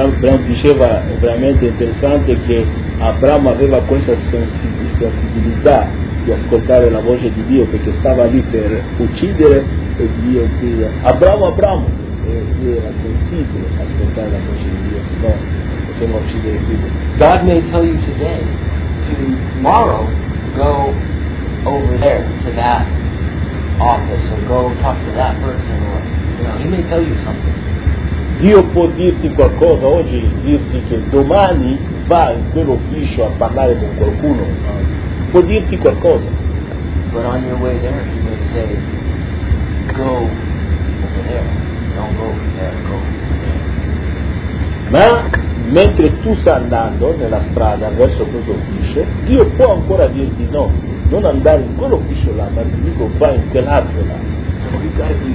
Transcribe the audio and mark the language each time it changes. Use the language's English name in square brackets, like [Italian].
[Italian] Abramo diceva, è veramente interessante che Abramo aveva questa sensibilità di ascoltare la voce di Dio, perché stava lì per uccidere, e Dio dice, "Abramo, Abramo!" E lui era sensibile ad ascoltare la voce di Dio, se no, possiamo uccidere il figlio. [English] God may tell you today, tomorrow go over there to that office or go talk to that person, or, you know, he may tell you something. [Italian] Dio può dirti qualcosa oggi, dirti che domani va in quell'ufficio a parlare con qualcuno. Può dirti qualcosa. [English] But on your way there, he may say, go over there. Don't go over there, go over there. [Italian] Ma mentre tu stai andando nella strada verso questo ufficio, Dio può ancora dirti no, non andare in quell'ufficio là, ma ti dico vai in quell'altro là.